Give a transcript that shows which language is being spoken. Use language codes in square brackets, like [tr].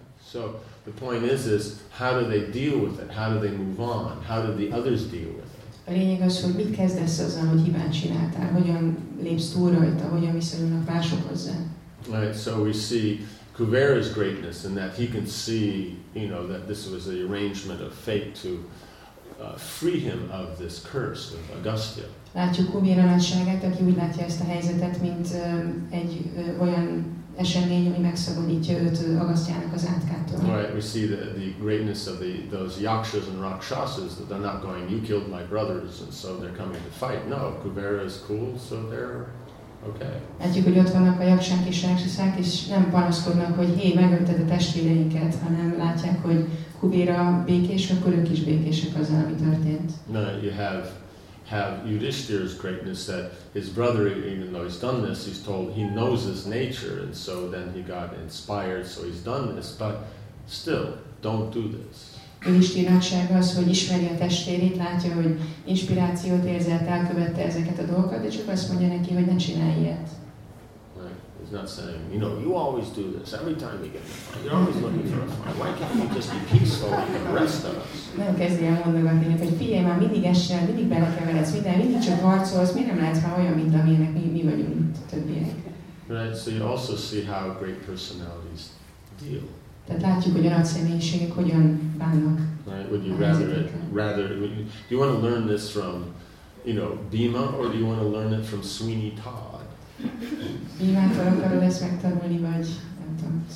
[en] So the point is how do they deal with it? How do they move on? How do the others deal with it? [hu] A lényeg az, hogy mit kezdesz azzal, hogy hibát csináltál? Hogyan lépsz túl rajta? Hogyan viszonyulnak mások hozzá? [en] Right, so we see Kuvera's greatness in that he can see, you know, that this was the arrangement of fate to free him of this curse of Agastya. [hu] Látjuk Kuvera nagyságát, aki úgy látja ezt a helyzetet, mint egy olyan esemény, ami megszabadítja őt Agasztyának az átkától. [en] Right, we see the greatness of those yakshas and rakshasas, that they're not going, you killed my brothers, and so they're coming to fight. No, Kuvera is cool, so they're okay. [hu] Látjuk, hogy ott vannak a jaksák és rákszák, és nem panaszkodnak, hogy hé, megölted a testvéreinket, hanem látják, hogy Kubéra békés, akkor ők is békések azzal, ami történt. [en] No, you have Yudhishthira's greatness that his brother, even though he's done this, he's told he knows his nature, and so then he got inspired, so he's done this, but still, don't do this. [hu] Yudhishthira nagysága az, hogy ismeri a testvérét, látja, hogy inspirációt érzett, elkövette ezeket a dolgokat, de csak azt mondja neki, hogy ne csinálj ilyet. [en] Right. He's not saying, you know, you always do this, every time you get it. You're always looking for a fight. Why can't you just be peaceful like the rest of us? [hu] Nem kezdi el mondogatni, hogy figyelj már, mindig esel, mindig belekeveredsz, mindig csak harcolsz, mi nem lehetsz már olyan, mint amilyenek mi vagyunk, mint a többiek. [en] Right, so you also see how great personalities deal. [hu] Tehát látjuk, hogy a nagy személyiségek hogyan bánnak. [en] Right, would you rather do you want to learn this from, you know, Bhima, or do you want to learn it from Sweeney Todd? [hu] Bhimától akarod ezt megtanulni, vagy nem tudom,